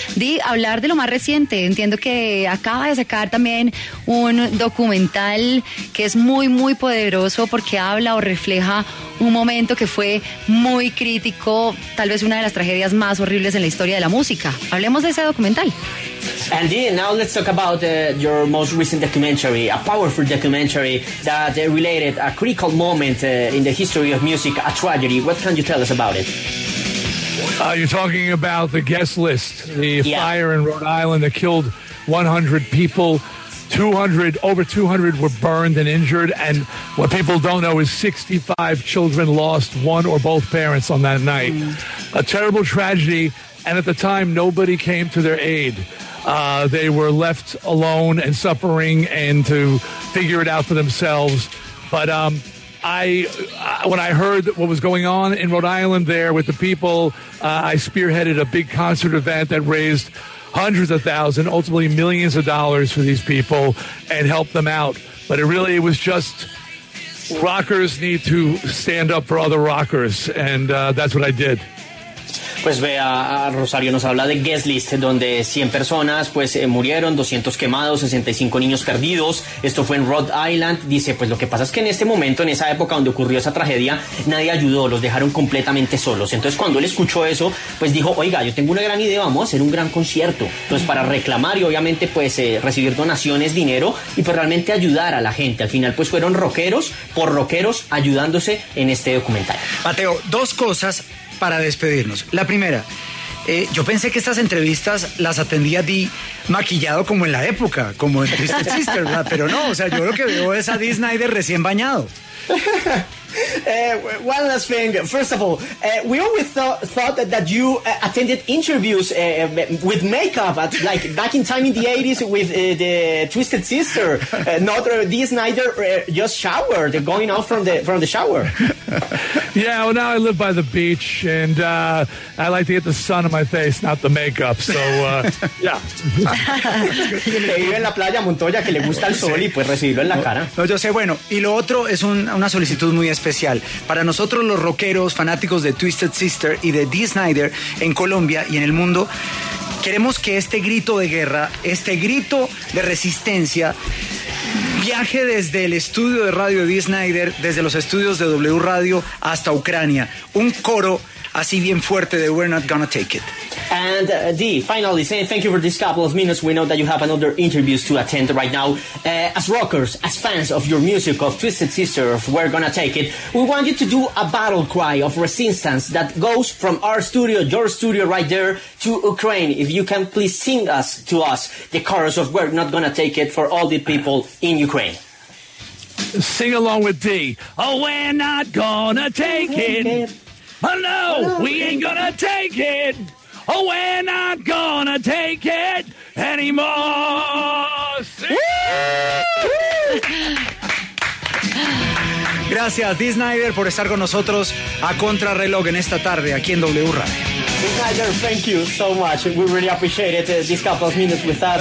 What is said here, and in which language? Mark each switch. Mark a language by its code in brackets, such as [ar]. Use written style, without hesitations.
[es] Dee, hablar de lo más reciente, entiendo que acaba de sacar también un documental que es muy, muy poderoso, porque habla o refleja un momento que fue muy crítico, tal vez una de las tragedias más horribles en la historia de la música. Hablemos de ese documental. [en] And then now let's talk about your most recent documentary, a powerful documentary that related a critical moment in the history of music, a tragedy. What can you tell us about it? You're talking about the guest list, the fire in Rhode Island that killed 100 people. Over 200 were burned and injured, and what people don't know is 65 children lost one or both parents on that night. A terrible tragedy, and at the time, nobody came to their aid. They were left alone and suffering and to figure it out for themselves. But when I heard what was going on in Rhode Island there with the people, I spearheaded a big concert event that raised hundreds of thousands, ultimately millions of dollars for these people and help them out. But it was just rockers need to stand up for other rockers, and that's what I did. [es] Pues vea, Rosario nos habla de Guest List, donde 100 personas pues murieron, 200 quemados, 65 niños perdidos. Esto fue en Rhode Island. Dice, pues lo que pasa es que en este momento, en esa época donde ocurrió esa tragedia, nadie ayudó, los dejaron completamente solos. Entonces cuando él escuchó eso, pues dijo, oiga, yo tengo una gran idea, vamos a hacer un gran concierto. Entonces para reclamar y obviamente pues recibir donaciones, dinero, y pues realmente ayudar a la gente. Al final pues fueron rockeros por rockeros ayudándose en este documental. Mateo, dos cosas para despedirnos. La primera, yo pensé que estas entrevistas las atendía Dee maquillado como en la época, como en Twisted Sister, ¿verdad? Pero no, o sea, yo lo que veo es a Dee Snider recién bañado. [en] One last thing. First of all, we always thought that you attended interviews with makeup, at, like back in time in the 80s with the Twisted Sister, not Dee Snider, just showered, going out from the shower. Yeah, well, now I live by the beach, and I like to get the sun on my face, not the makeup, so, yeah. [es] Que vive en la playa, Montoya, que le gusta el sol, y pues recibirlo en la cara. No, yo sé, bueno, y lo otro es una solicitud muy especial. Para nosotros los rockeros, fanáticos de Twisted Sister y de Dee Snider en Colombia y en el mundo, queremos que este grito de guerra, este grito de resistencia, viaje desde el estudio de radio de Dee Snider, desde los estudios de W Radio hasta Ucrania. Un coro así bien fuerte de We're Not Gonna Take It. [en] And Dee, finally, say thank you for this couple of minutes. We know that you have another interviews to attend right now. As rockers, as fans of your music, of Twisted Sister, of We're Gonna Take It, we want you to do a battle cry of resistance that goes from our studio, your studio right there, to Ukraine. If you can please sing us to us the chorus of We're Not Gonna Take It for all the people in Ukraine. Sing along with Dee. Oh, we're not gonna take it. Oh, no, we ain't gonna take it. Oh, we're not gonna take it anymore. [es] Gracias, Dee Snider, por estar con nosotros a Contrarreloj en esta tarde aquí en W Radio. [en] Dee Snider, thank you so much. We really appreciate it, this couple of minutes with us.